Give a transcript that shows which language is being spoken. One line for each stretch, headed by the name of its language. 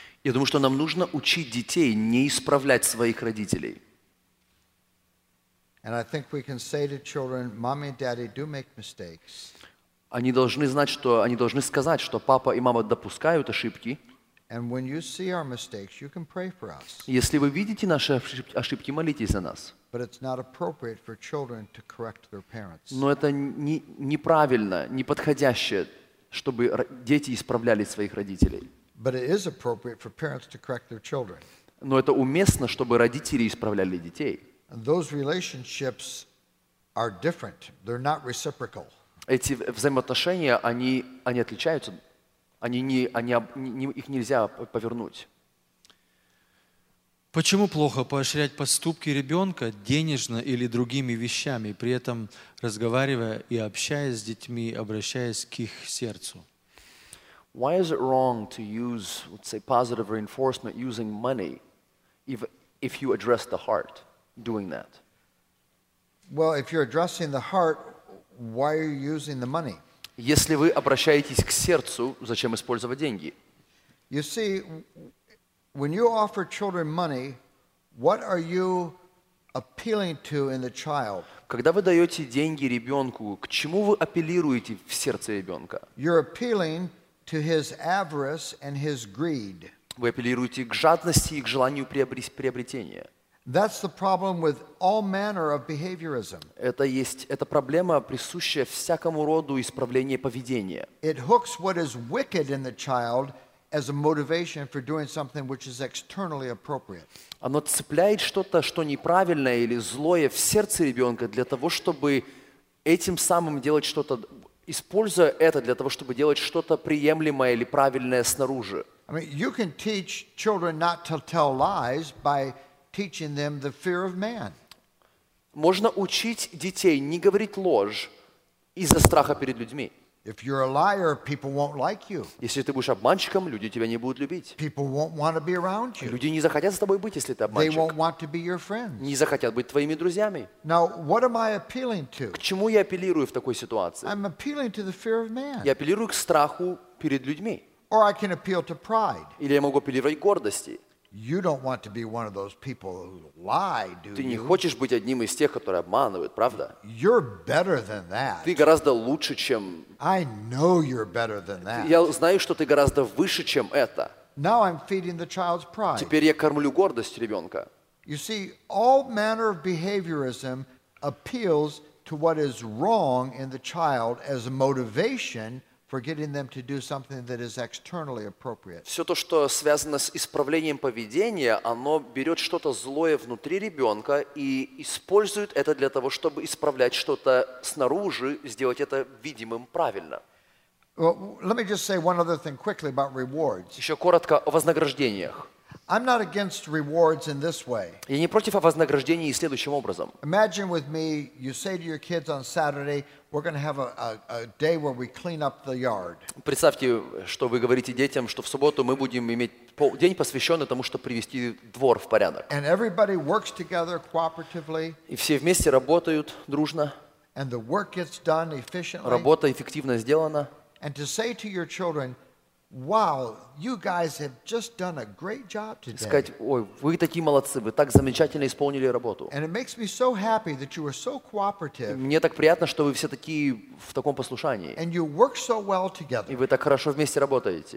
Russian: Я думаю, что нам нужно учить детей не исправлять своих родителей.
English: And I think we can say to children, "Mommy and Daddy do make mistakes."
Russian: Они должны сказать, что папа и мама допускают ошибки.
English: And when you see our mistakes, you can pray for us.
Russian: Если вы видите наши ошибки, молитесь за нас.
English: But it's not appropriate for children to correct their parents.
Russian: Но это неправильно, неподходящее, чтобы дети исправляли своих родителей.
English: But it is appropriate for parents to correct their children.
Russian: Но это уместно, чтобы родители исправляли детей.
English: And those relationships are different. They're not reciprocal.
Russian: Эти взаимоотношения, они отличаются. Их нельзя повернуть. Почему плохо поощрять поступки ребенка денежно или другими вещами, при этом разговаривая и общаясь с детьми, обращаясь к их сердцу?
English: Why is it wrong to use, let's say, positive reinforcement using money if you address the heart doing that? Well, if you're addressing the heart, why are you using the money?
Russian: Если вы обращаетесь к сердцу, зачем использовать деньги?
English: You see, when you offer children money, what are you appealing to in the child?
Russian: Когда вы даете деньги ребенку, к чему вы апеллируете в сердце ребенка?
English: You're appealing to his avarice and his greed.
Russian: Вы апеллируете к жадности и к желанию приобретения.
English: That's the problem with all manner of behaviorism.
Russian: Это проблема, присущая всякому роду исправления поведения.
English: It hooks what is wicked in the child as a motivation for doing something which is externally appropriate.
Russian: Оно цепляет что-то, что неправильное или злое в сердце ребенка для того, чтобы этим самым делать что-то, используя это для того, чтобы делать что-то приемлемое или правильное снаружи.
English: I mean, you can teach children not to tell lies by teaching them the fear of man.
Russian: Можно учить детей не говорить ложь из-за страха перед людьми.
English: If you're a liar, people won't like you.
Russian: Если ты будешь обманщиком, люди тебя не будут любить.
English: People won't want to be around you.
Russian: Люди не захотят с тобой быть, если ты обманщик.
English: They won't want to be your friends.
Russian: Не захотят быть твоими друзьями.
English: Now, what am I appealing to?
Russian: К чему я апеллирую в такой ситуации?
English: I'm appealing to the fear of man.
Russian: Я апеллирую к страху перед людьми.
English: Or I can appeal to pride.
Russian: Или я могу апеллировать к гордости.
English: You don't want to be one of those people who lie, do you?
Russian: Ты не хочешь быть одним из тех, которые обманывают, правда?
English: You're better than that.
Russian: Ты гораздо лучше, чем.
English: I know you're better than that.
Russian: Я знаю, что ты гораздо выше, чем это.
English: Now I'm feeding the child's pride.
Russian: Теперь я кормлю гордость ребенка.
English: You see, all manner of behaviorism appeals to what is wrong in the child as a motivation for getting them to do something that is externally appropriate.
Russian: Все то, что связано с исправлением поведения, оно берет что-то злое внутри ребенка и использует это для того, чтобы исправлять что-то снаружи, сделать это видимым правильно.
English: Well, let me just say one other thing quickly about rewards.
Russian: Еще коротко о вознаграждениях.
English: I'm not against rewards in this way.
Russian: Я не против вознаграждений следующим образом.
English: Imagine with me, you say to your kids on Saturday, we're going to have a day where we clean up the yard.
Russian: Представьте, что вы говорите детям, что в субботу мы будем иметь день, посвященный тому, чтобы привести двор в порядок.
English: And everybody works together cooperatively.
Russian: И все вместе работают дружно.
English: And the work gets done efficiently.
Russian: Работа эффективно сделана.
English: And to say to your children, wow, you guys have just done a great job today.
Russian: Сказать, ой, вы такие молодцы, вы так замечательно исполнили работу.
English: And it makes me so happy that you are so cooperative.
Russian: Мне так приятно, что вы все такие в таком послушании.
English: And you work so well together.
Russian: И вы так хорошо вместе работаете.